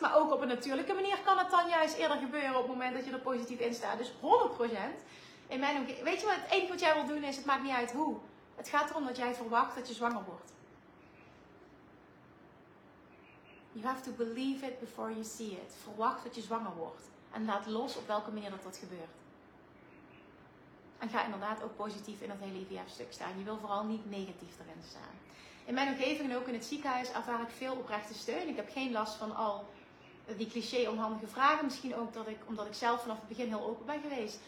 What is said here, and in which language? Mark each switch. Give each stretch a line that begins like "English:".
Dutch: Maar ook op een natuurlijke manier kan het dan juist eerder gebeuren op het moment dat je er positief in staat. Dus 100%! In mijn omgeving. Weet je wat? Het enige wat jij wil doen is, het maakt niet uit hoe. Het gaat erom dat jij verwacht dat je zwanger wordt.
English: You have to believe it before you see it.
Dutch: Verwacht dat je zwanger wordt. En laat los op welke manier dat gebeurt. En ga inderdaad ook positief in dat hele IVF-stuk staan. Je wil vooral niet negatief erin staan. In mijn omgeving en ook in het ziekenhuis ervaar ik veel oprechte steun. Ik heb geen last van al die cliché onhandige vragen, misschien ook omdat ik zelf vanaf het begin heel open ben geweest.